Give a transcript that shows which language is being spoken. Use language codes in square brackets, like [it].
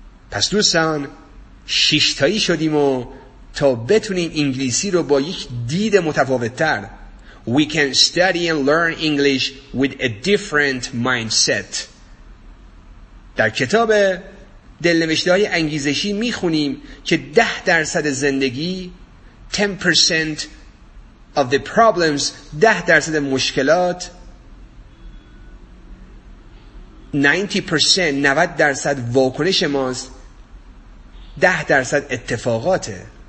[fa] پس دوستان، شیشتایی شدیم و تا بتونیم انگلیسی رو با یک دید متفاوت‌تر. [en] We can study and learn English with a different mindset. [fa] در کتاب دلنوشته‌های انگیزشی می‌خونیم که 10% زندگی، [en] 10% of the problems، [fa] 10% مشکلات، 90% 90% واکنش ماست، 10% اتفاقاته.